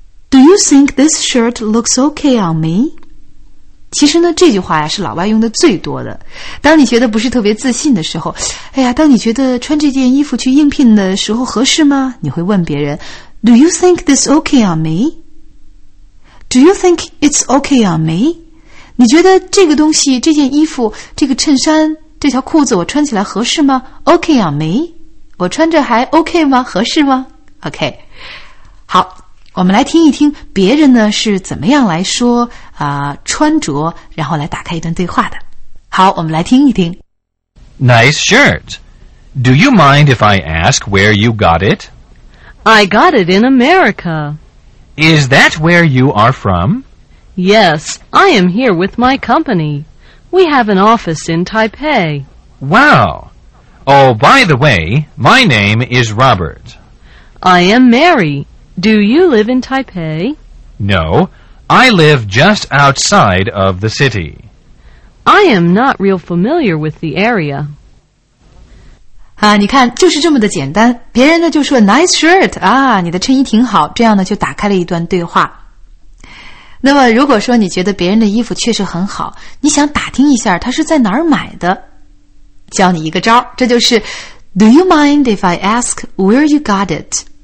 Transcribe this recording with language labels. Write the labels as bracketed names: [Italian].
[English] Do you think this shirt looks okay on me? [Chinese] 其实呢这句话呀是老外用的最多的。当你觉得不是特别自信的时候，哎呀，当你觉得穿这件衣服去应聘的时候合适吗，你会问别人 [English] Do you think this okay on me? Do you think it's okay on me? [Chinese] 你觉得这个东西，这件衣服，这个衬衫，这条裤子我穿起来合适吗？ [English] Okay on me? [Chinese] 我穿着还 okay 吗？合适吗？ OK, 好，我们来听一听别人呢是怎么样来说穿着，然后来打开一段对话的。好，我们来听一听。 [English] Nice shirt. Do you mind if I ask where you got it? I got it in America. Is that where you are from? Yes, I am here with my company. We have an office in Taipei. Wow. Oh, by the way, my name is Robert. I am Mary. Do you live in Taipei? No. I live just outside of the city. I am not real familiar with the area. [Chinese] 啊，你看，就是这么的简单。别人呢就说 [English] "Nice shirt," [Chinese] 啊，你的衬衣挺好。这样呢就打开了一段对话。那么，如果说你觉得别人的衣服确实很好，你想打听一下他是在哪儿买的，教你一个招，这就是 [English] "Do you mind if I ask where you got it?"